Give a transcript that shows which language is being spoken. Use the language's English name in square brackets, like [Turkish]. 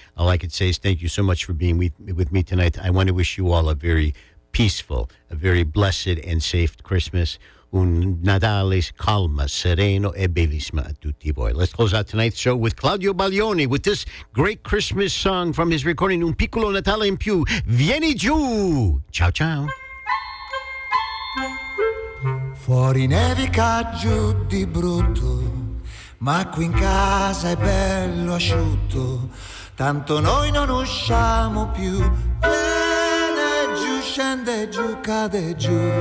[English] All I can say is thank you so much for being with me tonight. I want to wish you all a very peaceful, a very blessed and safe Christmas. [Italian] Un Natale calma, sereno e bellissima a tutti voi. [English] Let's close out tonight's show with Claudio Baglioni with this great Christmas song from his recording Un Piccolo Natale in Più. [Italian] Vieni giù! Ciao, ciao! Fuori nevica giù di brutto, ma qui in casa è bello asciutto, tanto noi non usciamo più. Viene giù, scende giù, cade giù.